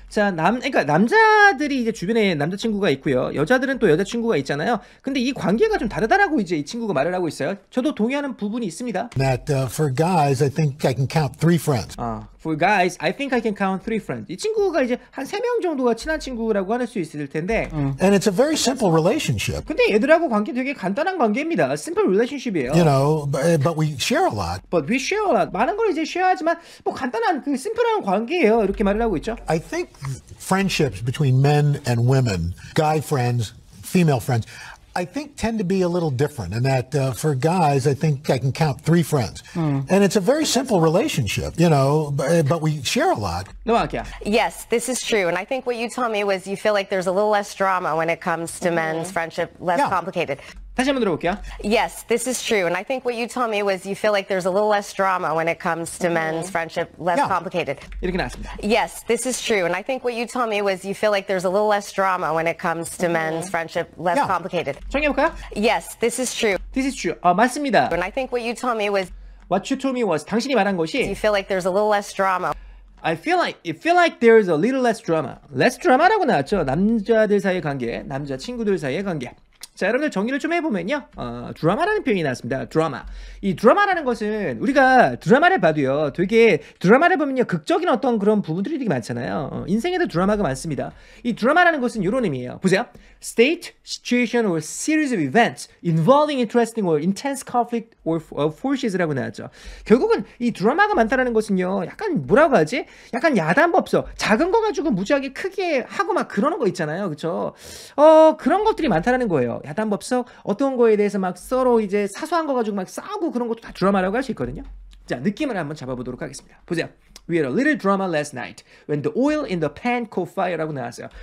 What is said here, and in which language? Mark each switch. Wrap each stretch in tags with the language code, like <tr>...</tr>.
<ko>자, 그러니까 남자들이 이제 주변에 남자친구가 있고요. 여자들은 또 여자친구가 있잖아요. 근데 이 관계가 좀 다르다라고 이제 이 친구가 말을 하고 있어요. 저도 동의하는 부분이 있습니다.</ko> <en>That for guys, I think I can count 3 friends. For guys, I think I can count 3 friends.</en> <ko>이 친구가 이제 한 3명 정도가 친한 친구라고 할 수 있을 텐데.</ko> <en>And it's a very simple relationship.</en> <ko>근데 얘들하고 관계 되게 간단한 관계입니다.</ko> <en>Simple relationship</en> <ko>이에요.</ko> <en>You know, but we share a lot. But we share a lot.</en> <ko>많은 걸 이제 쉐어하지만 뭐 간단한 그 심플한 관계예요. 이렇게 말을 하고 있죠.</ko> <en>I think friendships between men and women, guy friends, female friends, I think tend to be a little different in that for guys, I think I can count 3 friends. Mm. And it's a very simple relationship, you know, but we share a lot. No, yes, this is true. And I think what you told me was you feel like there's a little less drama when it comes to mm-hmm. men's friendship, less yeah. complicated.</en> <ko>다시 한번 들어볼게요.</ko> <en>Yes, this is true. And I think what you told me was you feel like there's a little less drama when it comes to mm-hmm. men's friendship, less yeah. complicated.</en> <ko>이렇게 나왔습니다.</ko> <en>Yes, this is true. And I think what you told me was you feel like there's a little less drama when it comes to mm-hmm. men's friendship, less yeah. complicated.</en> <ko>정해볼까요?</ko> <en>Yes, this is true. This is true.</en> <ko>맞습니다.</ko> <en>And I think what you told me was What you told me was</en> <ko>당신이 말한 것이</ko> <en>You feel like there's a little less drama. I feel like, you feel like there's a little less drama. Less drama라고</en> <ko>나왔죠. 남자들 사이의 관계, 남자친구들 사이의 관계. 자, 여러분들 정리를 좀 해보면요. 드라마라는 표현이 나왔습니다. 드라마. 이 드라마라는 것은 우리가 드라마를 봐도요. 되게 드라마를 보면요. 극적인 어떤 그런 부분들이 되게 많잖아요. 인생에도 드라마가 많습니다. 이 드라마라는 것은 이런 의미예요. 보세요.</ko> <en>State, situation, or series of events involving interesting or intense conflict or forces라고 나왔죠.</en> <ko>결국은 이 드라마가 많다라는 것은요. 약간 뭐라고 하지? 약간 야단법서. 작은 거 가지고 무지하게 크게 하고 막 그러는 거 있잖아요. 그렇죠? 그런 것들이 많다라는 거예요. 야단법서 어떤 거에 대해서 막 서로 이제 사소한 거 가지고 막 싸우고 그런 것도 다 드라마라고 할 수 있거든요. 자, 느낌을 한번 잡아보도록 하겠습니다. 보세요.</ko> <en>We had a little drama last night when the oil in the pan caught fire라고</en> <ko>나왔어요.</ko>